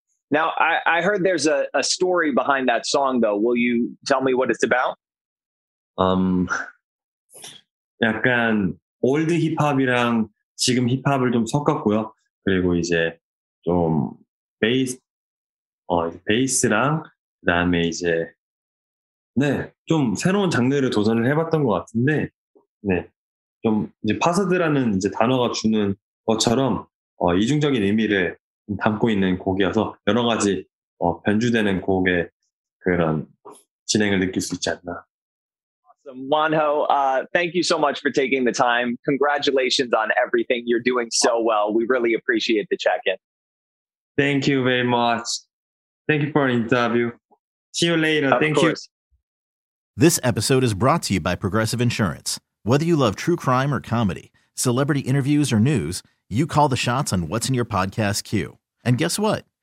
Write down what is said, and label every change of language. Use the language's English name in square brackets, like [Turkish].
[English] Now I heard there's a story behind that song though. Will you tell me what it's about? [Korean] 약간 올드 힙합이랑 지금 힙합을 좀 섞었고요. 그리고 이제 좀 베이스랑 그다음에 이제 네, 좀 새로운 장르를 도전을 해봤던 것 같은데 네, 좀 이제 파사드라는 이제 단어가 주는 것처럼 이중적인 의미를 담고 있는 곡이어서 여러 가지 변주되는 곡의 그런 진행을 느낄 수 있지 않나. [English] Wanho, thank you so much for taking the time. Congratulations on everything. You're doing so well. We really appreciate the check-in. Thank you very much. Thank you for the interview. See you later. Of course. This episode is brought to you by Progressive Insurance. Whether you love true crime or comedy, celebrity interviews or news, you call the shots on what's in your podcast queue. And guess what?